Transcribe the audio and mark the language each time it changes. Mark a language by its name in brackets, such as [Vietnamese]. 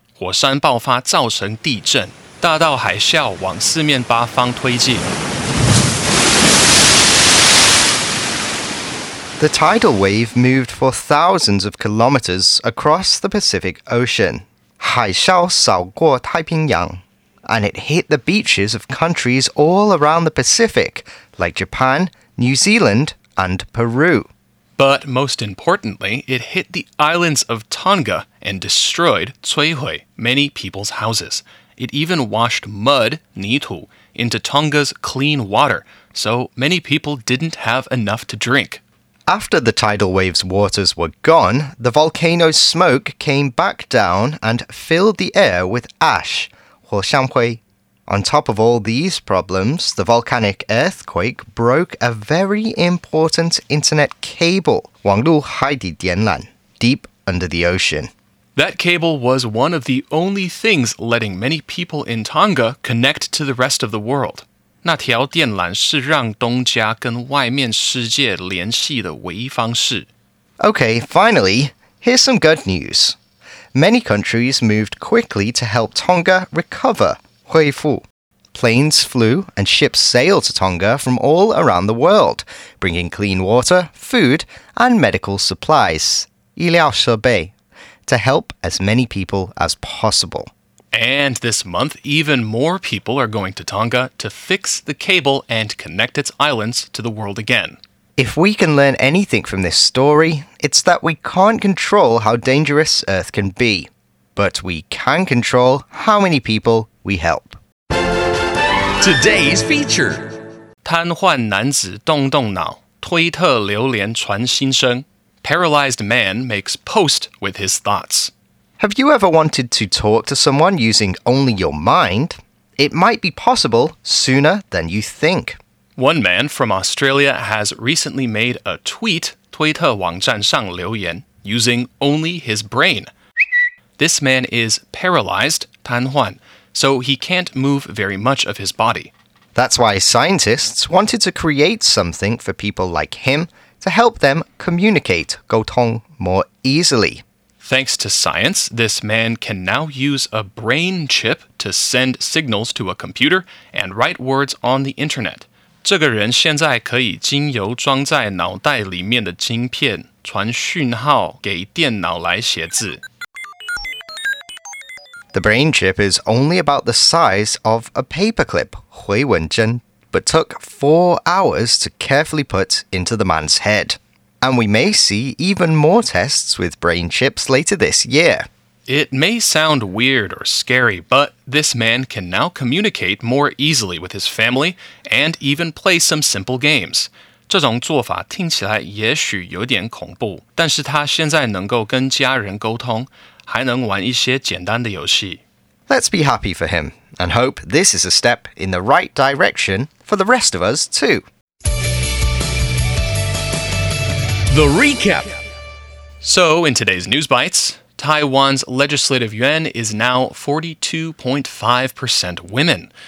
[Chinese] 火山爆发造成地震,大到海嘯往四面八方推进。 [English] The tidal wave moved for thousands of kilometers across the Pacific Ocean, [Chinese] 海嘯扫过太平洋, [English] and it hit the beaches of countries all around the Pacific, like Japan, New Zealand, and Peru. But most importantly, it hit the islands of Tonga and destroyed, 摧毁, many people's houses. It even washed mud, 泥土, into Tonga's clean water, so many people didn't have enough to drink. After the tidal wave's waters were gone, the volcano's smoke came back down and filled the air with ash, 火山灰. On top of all these problems, the volcanic earthquake broke a very important internet cable, 网路海底电缆, deep under the ocean. That cable was one of the only things letting many people in Tonga connect to the rest of the world. [Chinese] 那条电缆是让东加跟外面世界联系的唯一方式。 [English] Okay, finally, here's some good news. Many countries moved quickly to help Tonga recover, 恢复. Planes flew and ships sailed to Tonga from all around the world, bringing clean water, food, and medical supplies, 医疗设备, to help as many people as possible. And this month, even more people are going to Tonga to fix the cable and connect its islands to the world again. If we can learn anything from this story, it's that we can't control how dangerous Earth can be. But we can control how many people we help. Today's feature. [Chinese] 癱瘓男子動動腦,推特留言傳心聲。 [English] Paralyzed man makes post with his thoughts. Have you ever wanted to talk to someone using only your mind? It might be possible sooner than you think. One man from Australia has recently made a tweet, [Chinese] 推特网站上留言, [English] using only his brain. This man is paralyzed, 瘫痪, so he can't move very much of his body. That's why scientists wanted to create something for people like him to help them communicate, 沟通, more easily. Thanks to science, this man can now use a brain chip to send signals to a computer and write words on the internet. [Chinese] 这个人现在可以经由装在脑袋里面的晶片传讯号给电脑来写字。 [English] The brain chip is only about the size of a paperclip, 回文针, but took 4 hours to carefully put into the man's head. And we may see even more tests with brain chips later this year. It may sound weird or scary, but this man can now communicate more easily with his family and even play some simple games. [Chinese] 这种做法听起来也许有点恐怖，但是他现在能够跟家人沟通，还能玩一些简单的游戏。 [English] Let's be happy for him and hope this is a step in the right direction for the rest of us too. The Recap. So, in today's News Bites... Taiwan's Legislative Yuan is now 42.5% women.